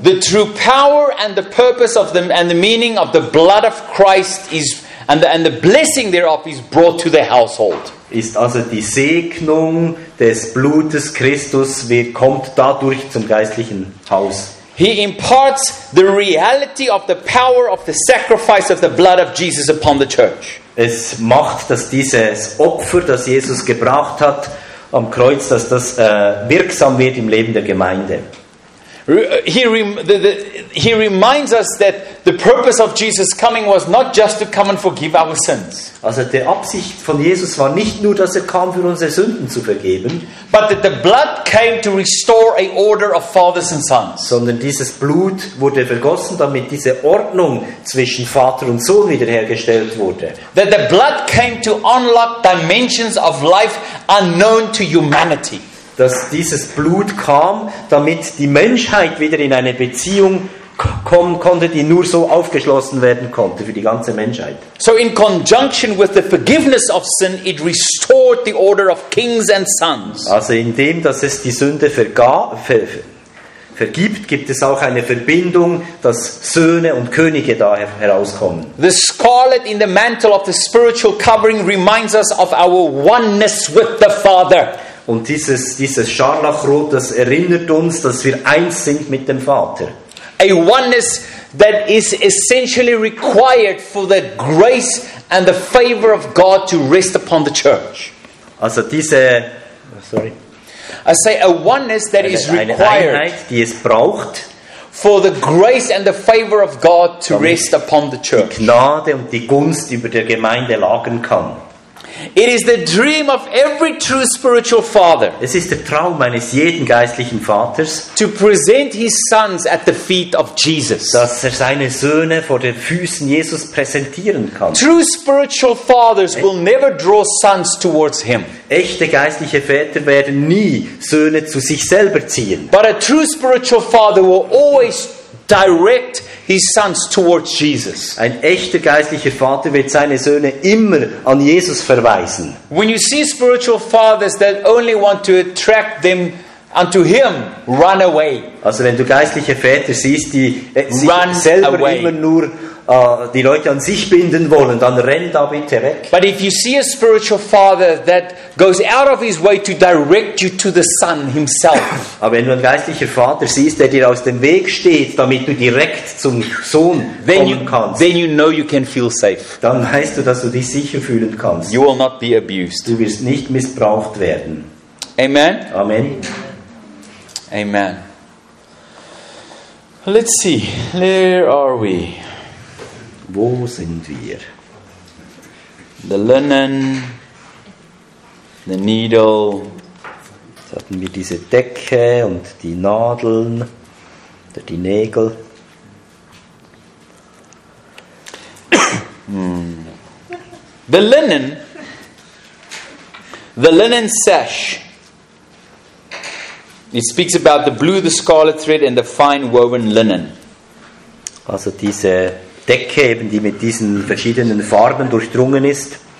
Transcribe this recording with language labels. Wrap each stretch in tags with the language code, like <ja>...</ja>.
<en>the true power and the purpose of them and the meaning of the blood of Christ is and the blessing thereof is brought to the household.</en> <de>Ist also die Segnung des Blutes Christus wird kommt dadurch zum geistlichen Haus.</de> <en>He imparts the reality of the power of the sacrifice of the blood of Jesus upon the church.</en> <de>Es macht, dass dieses Opfer, das Jesus gebracht hat, am Kreuz, dass das wirksam wird im Leben der Gemeinde.</de> <en>He reminds us that the purpose of Jesus coming was not just to come and forgive our sins.</en> <de>Also die Absicht von Jesus war nicht nur, dass er kam, für unsere Sünden zu vergeben,</de> <en>but that the blood came to restore a order of fathers and sons.</en> <de>Sondern dieses Blut wurde vergossen, damit diese Ordnung zwischen Vater und Sohn wiederhergestellt wurde.</de> <en>That the blood came to unlock dimensions of life unknown to humanity.</en> <de>Dass dieses Blut kam, damit die Menschheit wieder in eine Beziehung kommen konnte, die nur so aufgeschlossen werden konnte für die ganze Menschheit.</de> <en>So in conjunction with the forgiveness of sin, it restored the order of kings and sons.</en> <de>Also indem, dass es die Sünde vergibt, gibt es auch eine Verbindung, dass Söhne und Könige da herauskommen.</de> <en>The scarlet in the mantle of the spiritual covering reminds us of our oneness with the Father.</en> <de>Und dieses Scharlachrot, das erinnert uns, dass wir eins sind mit dem Vater.</de> <en>A oneness that is essentially required for the grace and the favor of God to rest upon the church.</en> <de>Also diese, sorry.</de> <en>I say a oneness that is required.</en> <de>Eine Einheit, die es braucht.</de> <en>For the grace and the favor of God to rest upon the church.</en> <de>Die Gnade und die Gunst über der Gemeinde lagen kann.</de> <en>It is the dream of every true spiritual father.</en> <de>Es ist der Traum eines jeden geistlichen Vaters,</de> <en>to present his sons at the feet of Jesus.</en> <de>Dass er seine Söhne vor den Füßen Jesus präsentieren kann.</de> <en>True spiritual fathers will never draw sons towards him.</en> <de>Echte geistliche Väter werden nie Söhne zu sich selber ziehen.</de> <en>But a true spiritual father will always direct his sons towards Jesus.</en> <de>Ein echter geistlicher Vater wird seine Söhne immer an Jesus verweisen.</de> <en>When you see spiritual fathers that only want to attract them unto him, run away.</en> <de>Also wenn du geistliche Väter siehst, die sich selber immer nur die Leute an sich binden wollen, dann renn da bitte weg.</de> <en>But if you see a spiritual father that goes out of his way to direct you to the Son himself.</en> <de>Aber wenn du einen geistlichen Vater siehst, der dir aus dem Weg steht, damit du direkt zum Sohn kommen kannst,</de> <en>then you know you can feel safe.</en> <de>Dann weißt du, dass du dich sicher fühlen kannst.</de> <en>You will not be abused.</en> <de>Du wirst nicht missbraucht werden.</de> <en>Amen.</en> <de>Amen. Amen.</de> <en>Let's see. Where are we?</en> <de>Wo sind wir?</de> <en>The linen, the needle.</en> <de>Jetzt hatten wir diese Decke und die Nadeln, die Nägel.</de> <en>The linen sash. It speaks about the blue, the scarlet thread and the fine woven linen.</en> <de>Also diese Decke eben, die mit diesen verschiedenen Farben durchdrungen ist.</de>